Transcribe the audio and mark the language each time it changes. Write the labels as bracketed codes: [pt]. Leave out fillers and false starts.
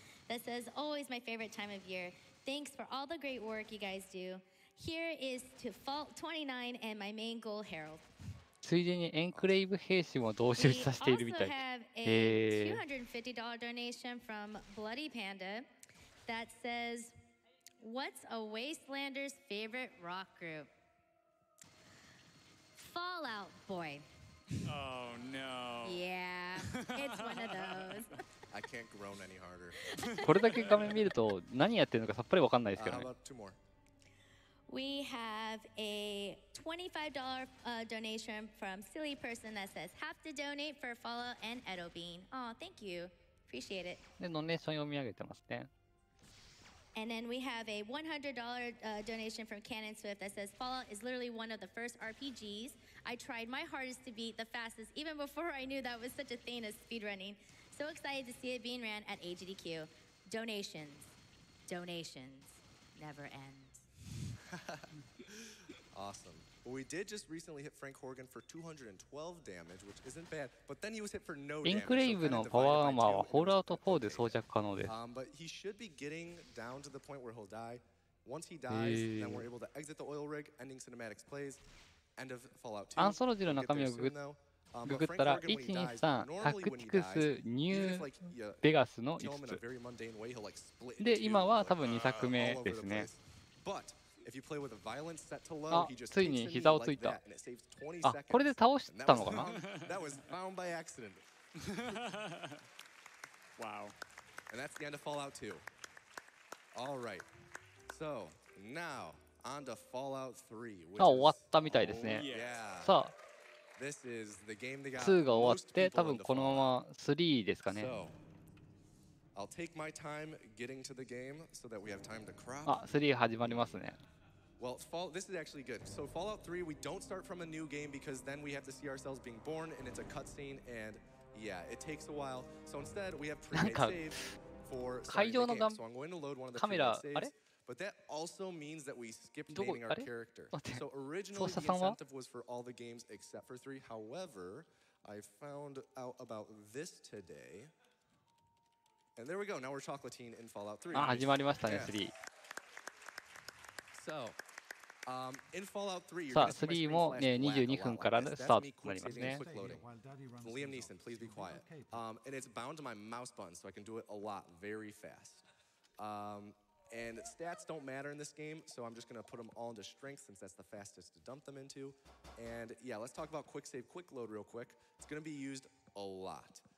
[en] That says, always my favorite time of year. Thanks for all the great work you guys do. Here is to Fault 29 and my main goal, Harold. [ja] ついでにエンクレイブ兵士も同時打ちさせているみたい。 [en] $250 donation from Bloody Panda that says, What's a Wastelander's favorite rock group? Fallout Boy. Oh, no. Yeah, it's one of those. I can't groan any harder. [ja] これだけ画面見ると何やってるのかさっぱりわかんないですけどね。 [en] How about two more? We have a $25 donation from Silly Person that says, have to donate for Fallout and Edo Bean. Oh, thank you. Appreciate it. [ja] で、ドネーション読み上げてますね。 [en] And then we have a $100 donation from Canon Swift that says, Fallout is literally one of the first RPGs. I tried my hardest to beat the fastest even before I knew that was such a thing as speedrunning. So excited to see it being ran at AGDQ. Donations. Donations. Never ends. Awesome. Well, we did just recently hit Frank Horgan for 212 damage, which isn't bad, but then he was hit for no damage. [ja] Inkrave のパワーアーマーはホールアウト4で装着可能です。 [en] But he should be getting down to the point where he'll die. Once he dies, then we're able to exit the oil rig, ending cinematics plays, end of Fallout 2. [ja] アンソロジーの中身をググったら、123、タクティクス、ニュー、ベガスの5つ。で、今は多分2作目ですね。 [en] If you play with a violence set to low, [ja] あ、ついに膝をついた。あ、これで倒したのかな？ [en] That was found by accident. Wow. And that's the end of Fallout 2. All right. So, now, on to Fallout 3. [ja] あ、終わったみたいですね。さあ、 2 が終わって、多分このまま3ですかね。 [en] I'll take my time getting to the game so that we have time to crop. [ja] あ、3始まりますね。 [en] Well, this is actually good. So Fallout 3, we don't start from a new game because then we have to see ourselves being born and it's a cutscene and yeah, it takes a while. So instead, we have pre-made saves for starting the game. So I'm going to load one of the pre-made saves. But that also means that we skip naming our character. So originally, the incentive was for all the games except for 3. However, I found out about this today. And there we go. Now we're Chocolatine in Fallout 3. [ja] あ、始まりましたね、3。さあ、3も、ね、22分からのスタートになりますね。 [en] Liam Neeson, please be quiet. And it's bound to my mouse button, so I can do it a lot, very fast. And stats don't matter in this game, so I'm just going to put them all into strength, since that's the fastest to dump them into. And yeah, let's talk about quick save, quick load real quick. It's going to be used a lot.